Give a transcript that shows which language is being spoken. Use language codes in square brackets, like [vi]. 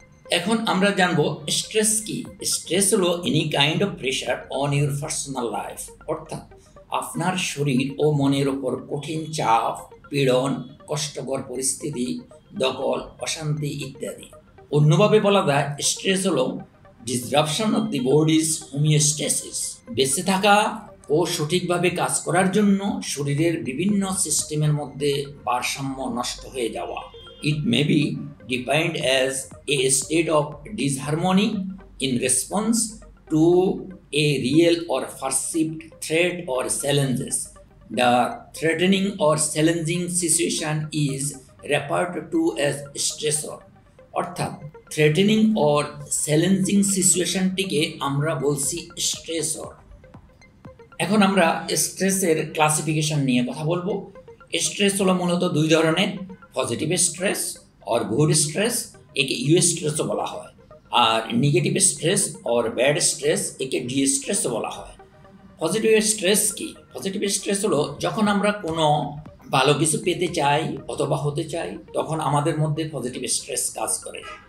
[bn] এখন আমরা জানবো স্ট্রেস কী। স্ট্রেস হলো [en] any kind of pressure on your personal life, [bn] অর্থাৎ আপনার শরীর ও মনের ওপর কঠিন চাপ, পীড়ন, কষ্টকর পরিস্থিতি, দখল, অশান্তি ইত্যাদি। অন্যভাবে বলা যায় স্ট্রেস হলো [en] Disruption of the body's homeostasis. [bn] বেঁচে থাকা ও সঠিকভাবে কাজ করার জন্য শরীরের বিভিন্ন সিস্টেমের মধ্যে ভারসাম্য নষ্ট হয়ে যাওয়া। [en] It may be defined as a state of disharmony in response to a real or perceived threat or challenges. The threatening or challenging situation is referred to as stressor. [bn] অর্থাৎ [en] threatening or challenging situation [bn] টিকে আমরা বলছি stressor। এখন আমরা স্ট্রেসের classification নিয়ে কথা বলবো। স্ট্রেস হলো মূলত দুই ধরনের, [en] positive stress or good stress, [bn] একে ইউস্ট্রেসও বলা হয়, আর [en] negative stress or bad stress, [bn] একে ডিস্ট্রেসও বলা হয়। পজিটিভ স্ট্রেস কী? পজিটিভ স্ট্রেস হলো যখন আমরা কোনো ভালো কিছু পেতে চাই অথবা হতে চাই, তখন আমাদের মধ্যে পজিটিভ স্ট্রেস কাজ করে।